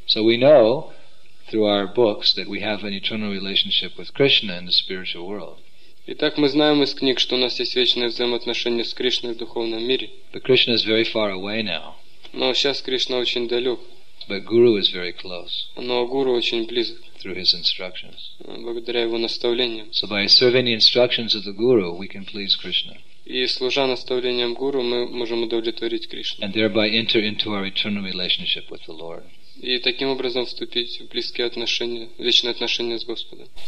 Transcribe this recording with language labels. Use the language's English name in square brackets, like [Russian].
[English] So we know through our books that we have an eternal relationship with Krishna in the spiritual world. [Russian] Итак, мы знаем из книг, что у нас есть вечные взаимоотношения с Кришной в духовном мире. [English] But Krishna is very far away now. [Russian] Но сейчас Кришна очень далек. [English] But Guru is very close. [Russian] Но Гуру очень близок. [English] Through his instructions. [Russian] Благодаря его наставлениям. [English] So by serving the instructions of the Guru, we can please Krishna. [Russian] И служа наставлениям Гуру, мы можем удовлетворить Кришну. [English] And thereby enter into our eternal relationship with the Lord. [Russian] И таким образом вступить в близкие отношения, вечные отношения с Господом.